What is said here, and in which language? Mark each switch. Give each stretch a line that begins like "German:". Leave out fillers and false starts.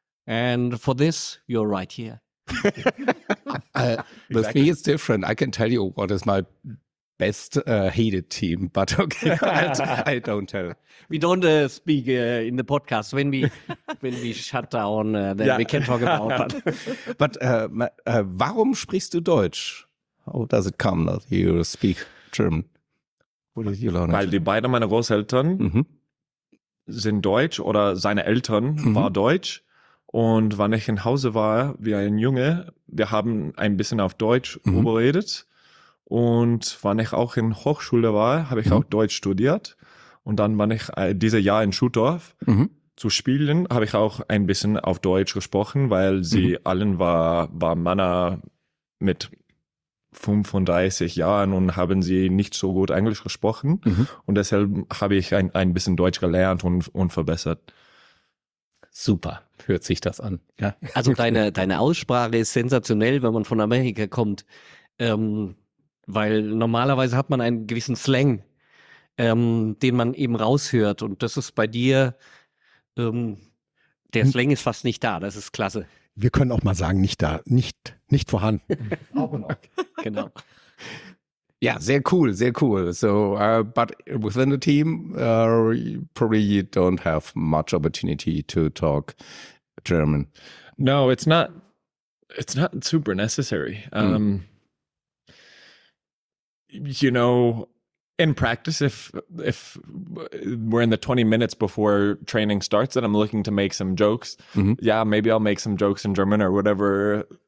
English: And for this, you're right here. With me, it's different. I can tell you what is my best hated team, but okay, I don't tell. We don't speak in the podcast when we when we shut down. Then we can talk about. But,
German: warum sprichst du Deutsch?
English: How does it come that you speak German? What did you learn?
German: Weil die beide meine Großeltern sind Deutsch, oder seine Eltern war Deutsch. Und wann ich in Hause war, wie ein Junge, wir haben ein bisschen auf Deutsch überredet. Und wann ich auch in Hochschule war, habe ich auch Deutsch studiert. Und dann, wann ich dieses Jahr in Schuttorf zu spielen, habe ich auch ein bisschen auf Deutsch gesprochen, weil sie allen war Männer mit 35 Jahren und haben sie nicht so gut Englisch gesprochen. Und deshalb habe ich ein bisschen Deutsch gelernt und verbessert. Super, hört sich das an. Ja. Also deine Aussprache ist sensationell, wenn man von Amerika kommt, weil normalerweise hat man einen gewissen Slang, den man eben raushört. Und das ist bei dir, der Slang ist fast nicht da, das ist klasse. Wir können auch mal sagen, nicht da, nicht vorhanden. Auch und auch. Genau.
English: Yeah,
German: sehr cool, sehr cool.
English: So, but within the team, probably you don't have much opportunity to talk German. No, it's not super necessary. You know, in practice, if we're in the 20 minutes before training starts and I'm looking to make some jokes, yeah, maybe I'll make some jokes in German or whatever.